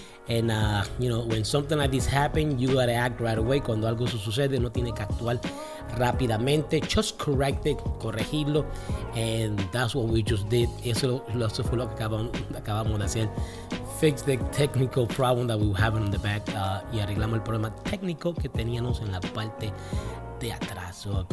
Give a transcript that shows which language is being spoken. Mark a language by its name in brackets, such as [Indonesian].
[English] And, you know, when something like this happens, you gotta act right away. [Spanish] Cuando algo sucede, no tiene que actuar rápidamente. [English] Just correct it, [Spanish] corregirlo. [English] And that's what we just did. [Spanish] Eso fue lo que acabamos de hacer. [English] Fix the technical problem that we were having in the back. [Spanish] Y arreglamos el problema técnico que teníamos en la parte de atrás.